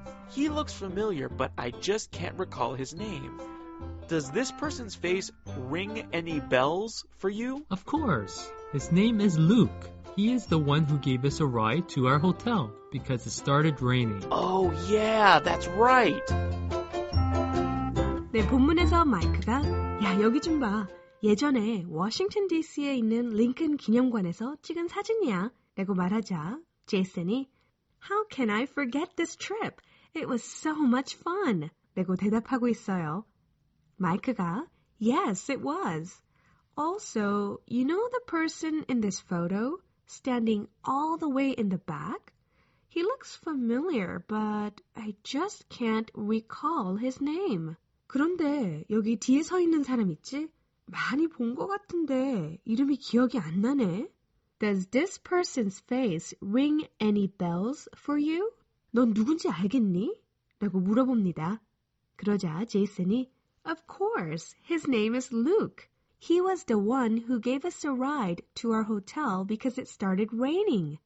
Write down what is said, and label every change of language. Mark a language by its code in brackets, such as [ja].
[en] He looks familiar, but I just can't recall his name. Does this person's face ring any bells for you? Of course. His name is Luke. He is the one who gave us a ride to our hotel because it started raining. Oh, yeah, that's right. [ko] 네, 본문에서 마이크가 야, 여기 좀 봐. 예전에 워싱턴 DC에 있는 링컨 기념관에서 찍은 사진이야. 라고 말하자 제이슨이 [en] How can I forget this trip? It was so much fun. [ko] 라고 대답하고 있어요. 마이크가 [en] Yes, it was. Also, you know the person in this photo, standing all the way in the back? He looks familiar, but I just can't recall his name. [ko] 그런데 여기 뒤에 서 있는 사람 있지? 많이 본 것 같은데 이름이 기억이 안 나네. [en] Does this person's face ring any bells for you? [ko] 넌 누군지 알겠니? 라고 물어봅니다. 그러자 제이슨이 [en] Of course, his name is Luke. He was the one who gave us a ride to our hotel because it started raining.